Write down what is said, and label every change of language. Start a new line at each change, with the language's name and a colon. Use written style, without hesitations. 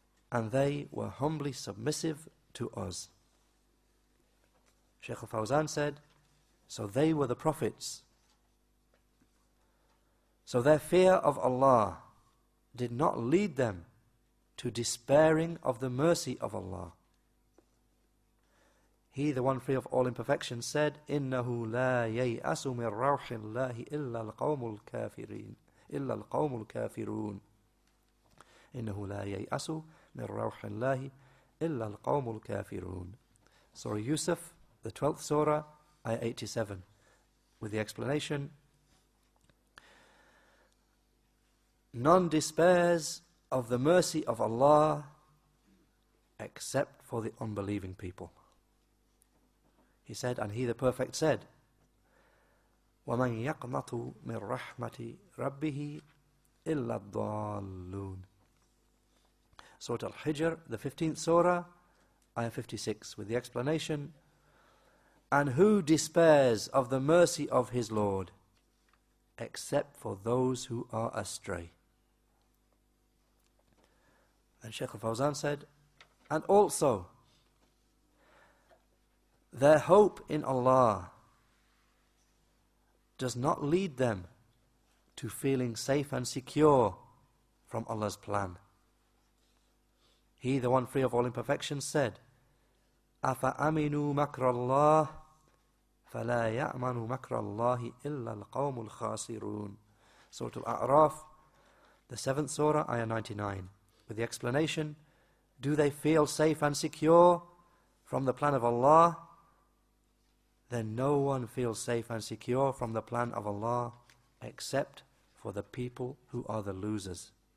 English: And they were humbly submissive to us. Shaykh al-Fawzan said, so they were the prophets. So their fear of Allah did not lead them to despairing of the mercy of Allah. He, the one free of all imperfection, said,
Arabic: إِنَّهُ لَا يَيْأَسُ مِنْ رَوْحِ اللَّهِ إِلَّا الْقَوْمُ الْكَافِرِينَ إِلَّا الْقَوْمُ الْكَافِرُونَ إِنَّهُ لَا يَيْأَسُ مِنْ رَوْحِ اللَّهِ إِلَّا الْقَوْمُ الْكَافِرُونَ.
English: Surah Yusuf, the 12th surah, ayah 87. With the explanation, none despairs of the mercy of Allah except for the unbelieving people. He said, and He the Perfect said,
Arabic: وَمَنْ يَقْنَطُ مِنْ رَحْمَةِ رَبِّهِ إِلَّا الضَّالُّونَ.
English: Surah Al-Hijr, the 15th surah, ayah 56, with the explanation, and who despairs of the mercy of his Lord except for those who are astray? And Shaykh al-Fawzan said, and also, their hope in Allah does not lead them to feeling safe and secure from Allah's plan. He, the one free of all imperfections, said,
Arabic: أَفَأَمِنُوا مَكْرَ اللَّهِ فَلَا يَأْمَنُوا مَكْرَ اللَّهِ إِلَّا الْقَوْمُ الْخَاسِرُونَ.
English: Surah Al-A'raf, the 7th surah, ayah 99. With the explanation, do they feel safe and secure from the plan of Allah? Then no one feels safe and secure from the plan of Allah except for the people who are the losers.